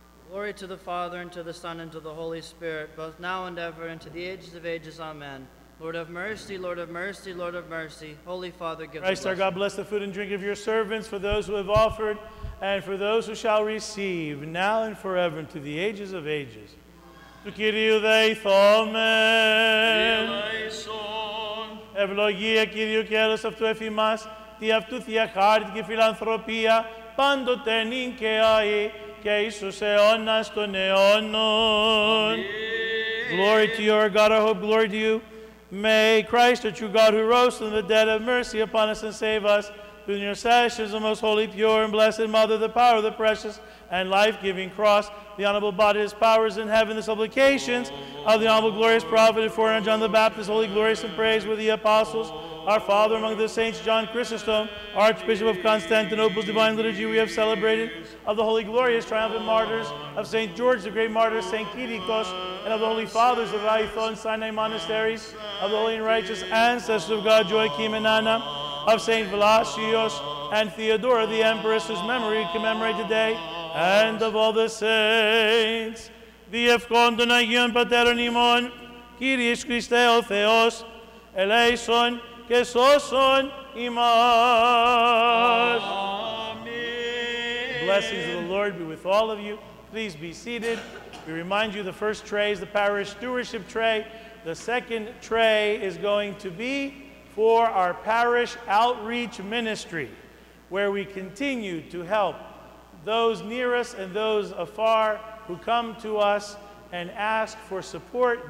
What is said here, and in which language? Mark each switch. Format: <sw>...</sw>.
<en>Glory to the Father, and to the Son, and to the Holy Spirit, both now and ever, and to the ages of ages. Amen. Lord of mercy, Lord of mercy, Lord of mercy, Holy Father, give us. Christ our God, bless the food and drink of your servants for those who have offered, and for those who shall receive, now and forever, and to the ages of ages.</en> <el>Του Κυρίου δεϊθόμεν. Ευλογία Κυρίου και έλεος αυτού εφημάς, τι αυτού θεία χάρη και φιλανθρωπία, πάντοτε νυν και αΐ, και εις τους αιώνας των αιώνων.</el> <en>Glory to you, our God, our hope, glory to you. May Christ, the true God, who rose from the dead, have mercy upon us and save us. Through the intercession of the most holy, pure, and blessed Mother, the power of the precious and life-giving cross, the honorable body, his powers in heaven, the supplications of the honorable, glorious prophet, and foreigner John the Baptist, holy, glorious, and praise with the apostles, our father among the saints, John Chrysostom, Archbishop of Constantinople's divine liturgy we have celebrated, of the holy, glorious, triumphant martyrs, of St. George, the great martyr, St. Kyrikos, and of the holy fathers of Aitho and Sinai monasteries, of the holy and righteous ancestors of God, Joachim and Anna, of St. Velasios and Theodora, the empress, whose memory we commemorate today, and of all the saints.</en> <el>διευκόν των Αγίων Πατέρων ημών, Κύριος Χριστέ ο Θεός, ελέησον και σώσον ημάς.</el> <en>Amen. The blessings of the Lord be with all of you. Please be seated. We remind you the first tray is the parish stewardship tray. The second tray is going to be for our parish outreach ministry, where we continue to help those near us and those afar who come to us and ask for support.</en>